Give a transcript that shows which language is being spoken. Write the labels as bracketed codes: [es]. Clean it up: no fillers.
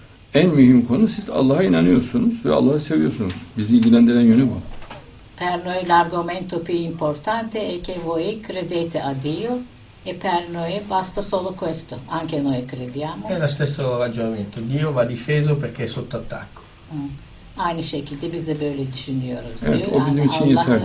[tr] En mühim konu, siz Allah'a inanıyorsunuz ve Allah'ı seviyorsunuz. Bizi ilgilendiren yönü bu. [it] Per noi l'argomento più importante è che voi credete a Dio e per noi basta solo questo. Anche noi crediamo. È lo stesso ragionamento. Dio va difeso perché è sotto attacco. [tr] Aynı şekilde biz de böyle düşünüyoruz. Evet, diyor. O yani bizim için yeterli.